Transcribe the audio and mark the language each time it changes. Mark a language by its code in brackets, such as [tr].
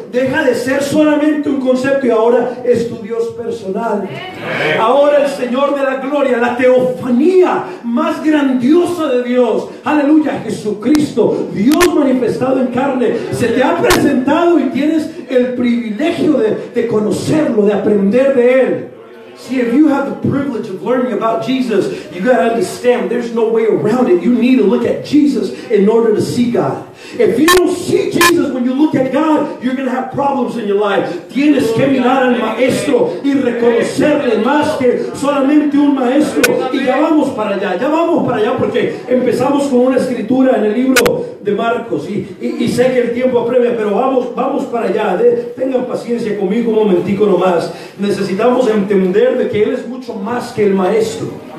[es] Deja de ser solamente un concepto y ahora es tu Dios personal. Ahora el Señor de la gloria, la teofanía más grandiosa de Dios. Aleluya, Jesucristo, Dios manifestado en carne, se te ha presentado y tienes el privilegio de conocerlo, de aprender de él. [en] See, if you have the privilege of learning about Jesus, you got to understand there's no way around it. You need to look at Jesus in order to see God. If you don't see Jesus when you look at God, you're going to have problems in your life. [es] Tienes que mirar al Maestro y reconocerle más que solamente un Maestro. Y ya vamos para allá, porque empezamos con una escritura en el libro de Marcos, y sé que el tiempo apremia, pero vamos para allá. Tengan paciencia conmigo un momentico nomás. Necesitamos entender de que Él es mucho más que el maestro.